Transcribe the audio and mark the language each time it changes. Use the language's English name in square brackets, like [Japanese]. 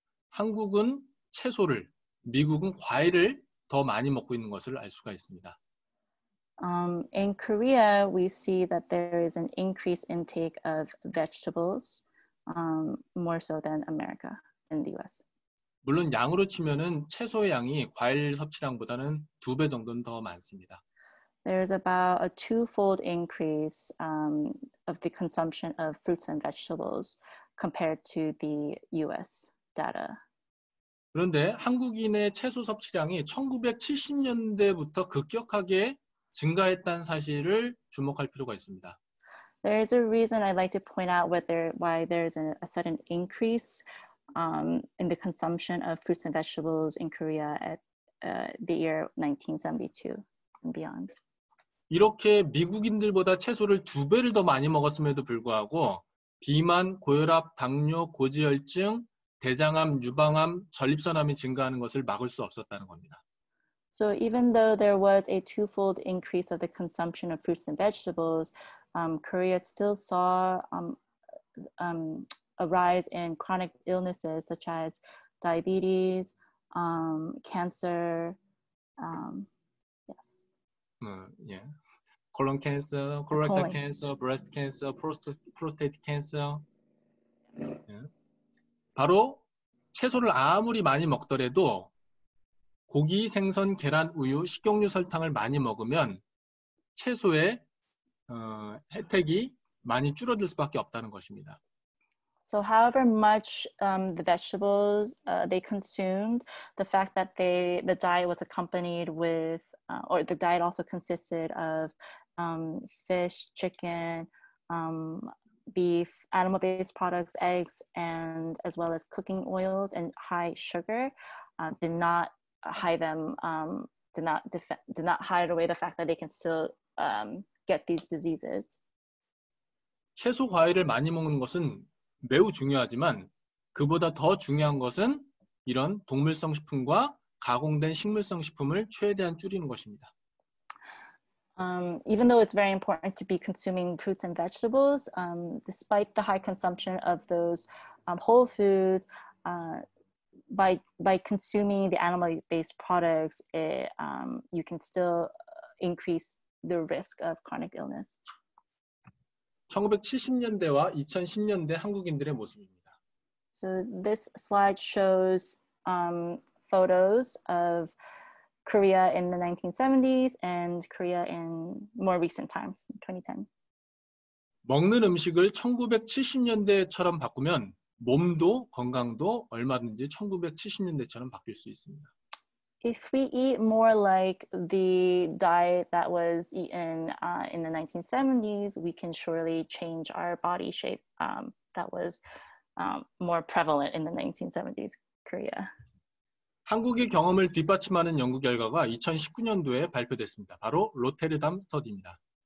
[Korean] 한국은 채소를, 미국은 과일을 더 많이 먹고 있는 것을 알 수가 있습니다. [English] In Korea, we see that there is an increased intake of vegetables more so than America in the US. [Korean] 물론 양으로 치면은 채소의 양이 과일 섭취량보다는 두 배 정도는 더 많습니다. [English] There's about a twofold increase of the consumption of fruits and vegetables compared to the US data. [Korean] 그런데 한국인의 채소 섭취량이 1970년대부터 급격하게 증가했다는 사실을 주목할 필요가 있습니다. [English] There's a reason I'd like to point out why there's a sudden increase in the consumption of fruits and vegetables in Korea at the year 1972 and beyond. [Korean] 이렇게 미국인들보다 채소를 두 배를 더 많이 먹었음에도 불구하고 비만, 고혈압, 당뇨, 고지혈증, 대장암, 유방암, 전립선암이 증가하는 것을 막을 수 없었다는 겁니다. [English] So even though there was a twofold increase of the consumption of fruits and vegetables, Korea still saw a rise in chronic illnesses such as diabetes, cancer, yes. Yeah. Colon cancer, colorectal cancer, breast cancer, prostate cancer. Yeah. [Korean] 바로 채소를 아무리 많이 먹더라도 고기, 생선, 계란, 우유, 식용유, 설탕을 많이 먹으면 채소의 혜택이 많이 줄어들 수밖에 없다는 것입니다. [English] So however much the vegetables they consumed, the fact that the diet was accompanied with or the diet also consisted of fish, chicken, beef, animal-based products, eggs, and as well as cooking oils and high sugar did not hide away the fact that they can still get these diseases. [Korean] 채소 과일을 많이 먹는 것은 매우 중요하지만 그보다 더 중요한 것은 이런 동물성 식품과 가공된 식물성 식품을 최대한 줄이는 것입니다. [English] Even though it's very important to be consuming fruits and vegetables, despite the high consumption of those whole foods, by consuming the animal-based products, you can still increase the risk of chronic illness. [Korean] 1970년대와 2010년대 한국인들의 모습입니다. [English] So this slide shows photos of Korea in the 1970s and Korea in more recent times, 2010. [Korean] 먹는 음식을 1970년대처럼 바꾸면 몸도 건강도 얼마든지 1970년대처럼 바뀔 수 있습니다. [English] If we eat more like the diet that was eaten in the 1970s, we can surely change our body shape that was more prevalent in the 1970s Korea. [Korean] 한국의 경험을 뒷받침하는 연구 결과가 2019년도에 발표됐습니다. 바로 로테르담 스터디입니다.